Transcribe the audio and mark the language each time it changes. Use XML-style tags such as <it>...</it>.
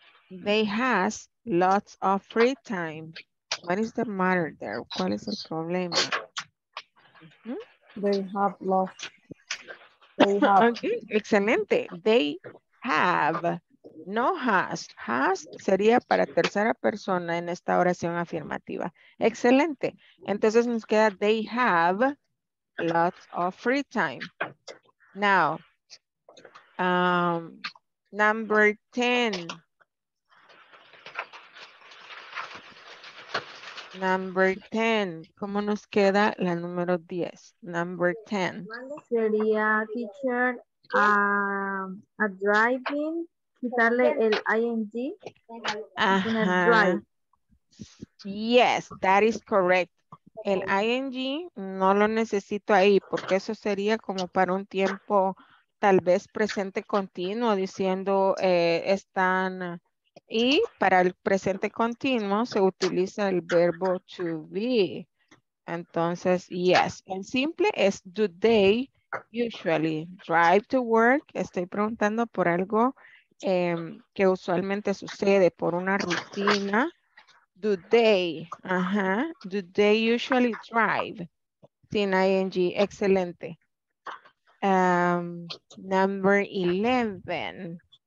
<en>They has lots of free time. What is the matter there?</en> <es>¿Cuál es el problema?</es> <en>They have lots. Okay, excelente. They have, no has.</en> <es>Has sería para tercera persona en esta oración afirmativa. Excelente. Entonces nos queda</es> <en>they have lots of free time. Now, number 10. Number 10.</en> <es>¿Cómo nos queda la número 10?</es> <en>Number 10.</en> <es>Sería teacher a driving, quitarle el ing.</es> <en>Drive. Yes, that is correct.</en> <es>El ing no lo necesito ahí porque eso sería como para un tiempo tal vez presente continuo diciendo están. Y para el presente continuo se utiliza el verbo to be. Entonces, yes. En simple es</es> <en>do they usually drive to work.</en> <es>Estoy preguntando por algo que usualmente sucede, por una rutina.</es> <en>Do they, do they usually drive?</en> <es>Sin ing, excelente.</es> <en>Number 11.</en>